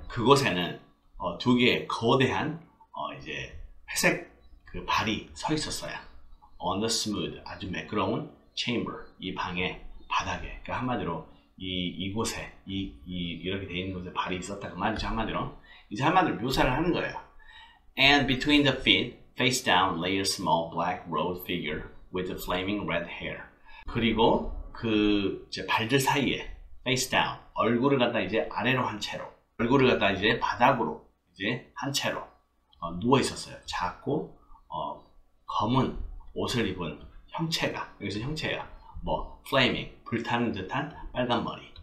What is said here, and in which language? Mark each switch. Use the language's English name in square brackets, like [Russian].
[Korean] 그곳에는 두 개의 거대한 이제 회색 그 발이 서 있었어요. On the smooth, 아주 매끄러운 chamber, 이 방의 바닥에. 그러니까 한마디로 이곳에 이렇게 돼 있는 곳에 발이 있었다 그 말이죠. 한마디로 이제 한마디로 묘사를 하는 거예요. [English] And between the feet, face down, lay a small black robed figure with the flaming red hair. [Korean] 그리고 그 이제 발들 사이에 face down, 얼굴을 갖다 이제 아래로 한 채로, 얼굴을 갖다 이제 바닥으로 이제 한 채로 누워 있었어요. 작고 검은 옷을 입은 형체가, 여기서 형체야, 뭐 flaming, 불타는 듯한 빨간 머리.